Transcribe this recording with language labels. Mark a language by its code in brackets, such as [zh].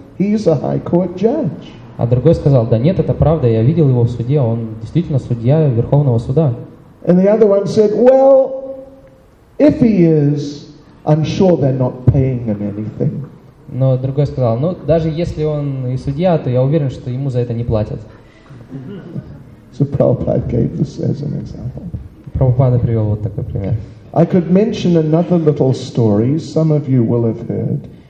[en] He is a high court judge. [ru] А другой сказал, да нет, это правда, я видел его в суде, он действительно судья Верховного Суда. [en] And the other one said, well, if he is... I'm sure they're not paying him anything. [ru] Но другой сказал: ну даже если он и судья, то я уверен, что ему за это не платят. [en] So Prabhupada gave this as an example. [ru] Прабхупада привел вот такой пример. [en] I could mention another little story. Some of you will have heard.